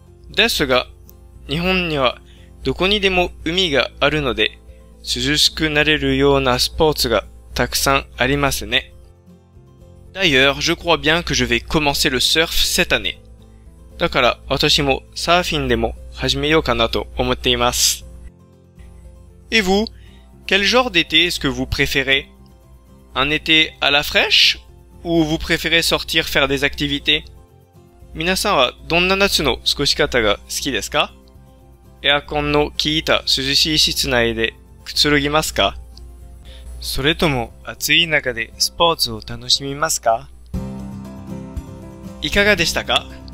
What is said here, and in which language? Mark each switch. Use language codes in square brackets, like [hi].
[ja] ですが、日本にはどこにでも海があるので、涼しくなれるようなスポーツがたくさんありますね。 [fr] D'ailleurs, je crois bien que je vais commencer le surf cette année. [ja] だから、私もサーフィンでも始めようかなと思っています。 [fr] Et vous? Quel genre d'été est-ce que vous préférez? Un été à la fraîche? Ou vous préférez sortir faire des activités? [ja] 皆さんはどんな夏の過ごし方が好きですか？エアコンの効いた涼しい室内でくつろぎますか？それとも暑い中でスポーツを楽しみますか？いかがでしたか？